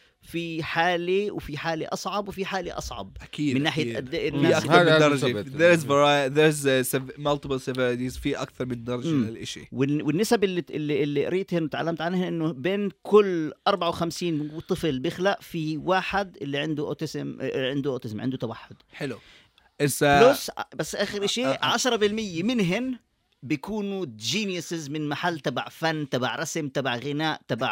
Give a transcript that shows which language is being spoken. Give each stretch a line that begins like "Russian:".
Arabic: في حالي وفي حالي أصعب وفي حالي أصعب. أكيد من ناحية الناس أكثر من درجة.
English: There's variety, there's multiple severities.
Arabic: في أكثر من درجة للإشي. والنسب اللي قريتهن وتعلمت عنهن إنه بين كل 54 طفل بيخلق في واحد اللي عنده أوتيزم, عنده أوتيزم, عنده توحد. حلو. بلس بس آخر إشي 10% منهن بيكونوا جينيسز من محل تبع فن, تبع رسم, تبع غناء, تبع